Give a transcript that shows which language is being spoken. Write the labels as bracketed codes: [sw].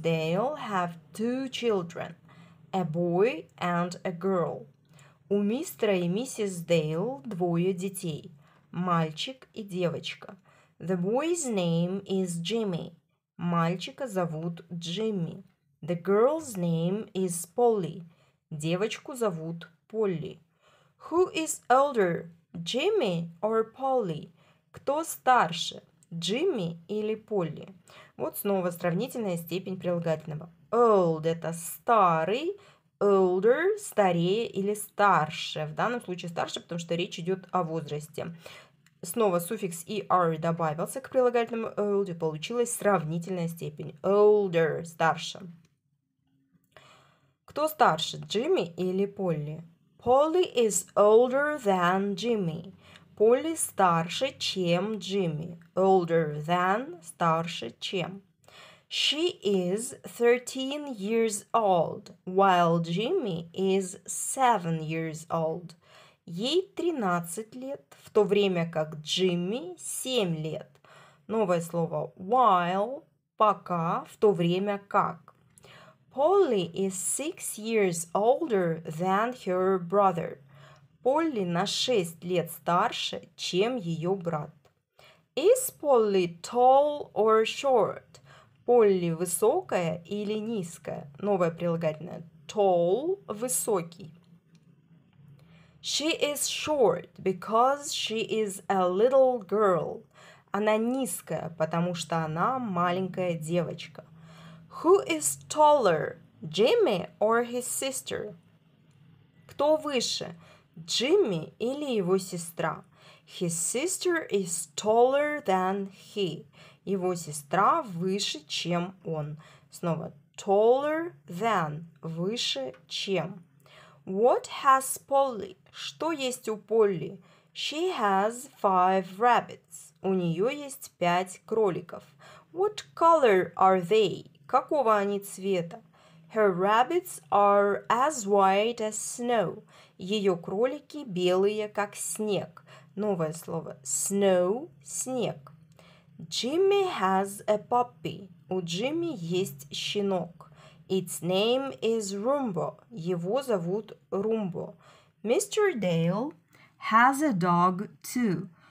[en] Dale have two children, a boy and a girl. [ru] У мистера и миссис Дейл двое детей, мальчик и девочка. [en] The boy's name is Jimmy. [ru] Мальчика зовут Джимми. [en] The girl's name is Polly. [ru] Девочку зовут Полли. [en] Who is older, Jimmy or Polly? [ru] Кто старше, Джимми или Полли? Вот снова сравнительная степень прилагательного. Old – это старый, older – старее или старше. В данном случае старше, потому что речь идет о возрасте. Снова суффикс er добавился к прилагательному old, и получилась сравнительная степень. Older – старше. Кто старше, Джимми или Полли? [en] Polly is older than Jimmy. [ru] Полли старше, чем Джимми. Older than – старше, чем. [en] She is 13 years old, while Jimmy is 7 years old. [ru] Ей 13 лет, в то время как Джимми 7 лет. Новое слово while – пока, в то время как. [en] Polly is 6 years older than her brother. [ru] Polly на 6 лет старше, чем ее брат. [en] Is Polly tall or short? [ru] Polly высокая или низкая? Новое прилагательное. Tall – высокий. [en] She is short because she is a little girl. [ru] Она низкая, потому что она маленькая девочка. [en] Who is taller, Jimmy or his sister? [ru] Кто выше, Джимми или его сестра? [en] His sister is taller than he. [ru] Его сестра выше, чем он. Снова taller than, выше, чем. [en] What has Polly? [ru] Что есть у Полли? [en] She has 5 rabbits. [ru] У нее есть 5 кроликов. [en] What color are they? [ru] Какого они цвета? [en] Her rabbits are as white as snow. [ru] Ее кролики белые, как снег. Новое слово. [en] Snow – снег. Jimmy has a puppy. [ru] У Джимми есть щенок. [en] Its name is Rumbo. [ru] Его зовут Румбо. [en] Mr. Dale has a dog too.